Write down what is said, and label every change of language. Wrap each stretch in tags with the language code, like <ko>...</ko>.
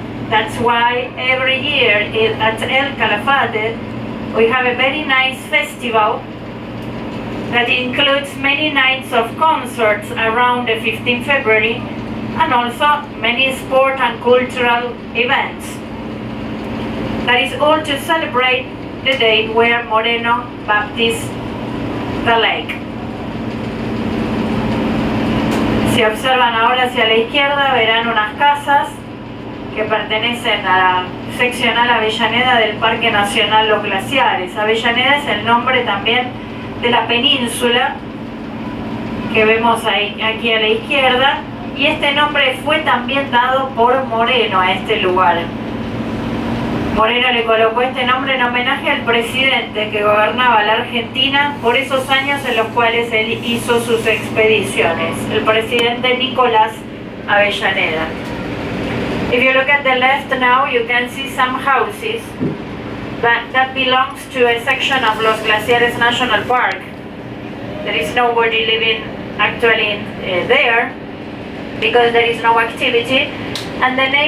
<en>That's why every year at El Calafate, we have a very nice festival that includes many nights of concerts around the 15th February and also many sport and cultural events. That is all to celebrate the day where Moreno baptized the lake.</en> <es>Si observan ahora hacia la izquierda, verán unas casas que pertenecen a la seccional Avellaneda del Parque Nacional Los Glaciares. Avellaneda es el nombre también de la península que vemos ahí, aquí a la izquierda, y este nombre fue también dado por Moreno a este lugar. Moreno le colocó este nombre en homenaje al presidente que gobernaba la Argentina por esos años en los cuales él hizo sus expediciones, el presidente Nicolás Avellaneda.</es> <en>If you look at the left now, you can see some houses that belongs to a section of Los Glaciares National Park. There is nobody living actually there because there is no activity, and the name</en>